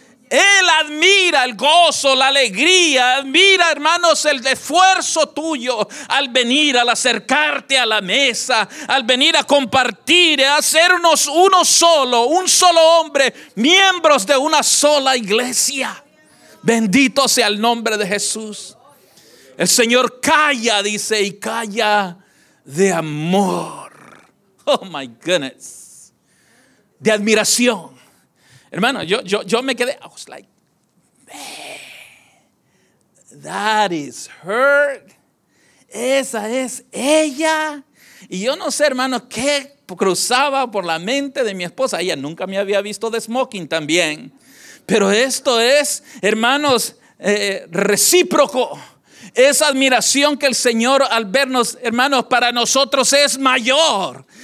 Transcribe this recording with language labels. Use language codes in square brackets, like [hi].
[es] Él admira el gozo, la alegría, admira, hermanos, el esfuerzo tuyo al venir, al acercarte a la mesa, al venir a compartir, a hacernos uno solo, un solo hombre, miembros de una sola iglesia. Bendito sea el nombre de Jesús. El Señor calla, dice, y calla de amor. [en] Oh my goodness. [es] De admiración. Hermano, yo me quedé, [en] I was like, man, that is her, [es] esa es ella. Y yo no sé, hermano, qué cruzaba por la mente de mi esposa. Ella nunca me había visto de smoking también. Pero esto es, hermanos, recíproco. Esa admiración que el Señor al vernos, hermanos, para nosotros es mayor.